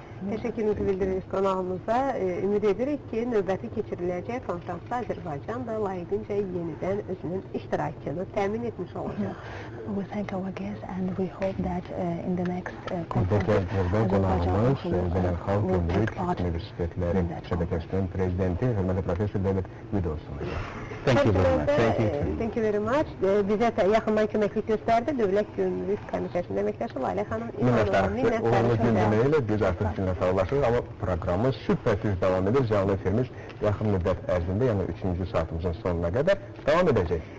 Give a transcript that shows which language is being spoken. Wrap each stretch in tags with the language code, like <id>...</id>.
<az>Təşəkkürümüzü bildiririk qonağımıza. Ümid edirik ki, növbəti keçiriləcək konferansda Azərbaycan da layiqincə yenidən özünün iştirakını təmin etmiş olacaq.</az> <en>We thank our guests and we hope that in the next conference Thank you very much.</en> <az>Bizə yaxından köməklik göstərdi Dövlət Gümrük Komitəsinin əməkdaşı Lailə xanım. Onunla gündəməklə biz artıq sizinlə sağlaşırıq, amma proqramımız şübhəsiz davam edir. Canlı efirimiz yaxın müddət ərzində, yəni 3-cü saatımızın sonuna qədər davam edəcək.</az>